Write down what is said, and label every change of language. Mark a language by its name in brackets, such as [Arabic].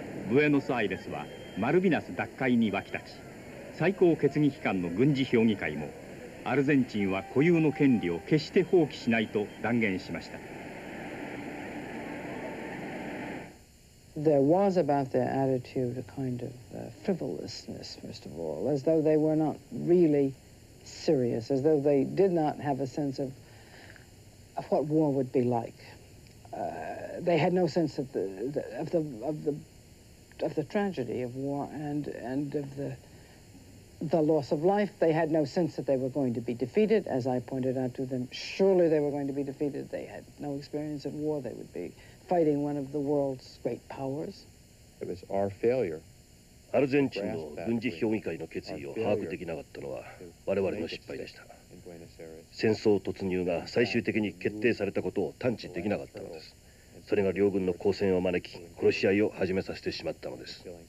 [Japanese] ブエノスアイレスはマルビナス奪回に沸き立ち、最高決議機関の軍事評議会もアルゼンチンは固有の権利を決して放棄しないと断言しました。 [English] There was about their attitude a kind of frivolousness, first of all, as though they were not really serious, as though they did not have a sense of what war would be like. They had no sense of the tragedy of war and of the loss of life. They had no sense that they were going to be defeated, as I pointed out to them. Surely they were going to be defeated. They had no experience of war. They would be fighting one of the world's great powers. It was our failure. [Japanese] アルゼンチンの軍事評議会の決意を把握できなかったのは我々の失敗でした。戦争突入が最終的に決定されたことを探知できなかったのです。それが両軍の交戦を招き、殺し合いを始めさせてしまったのです。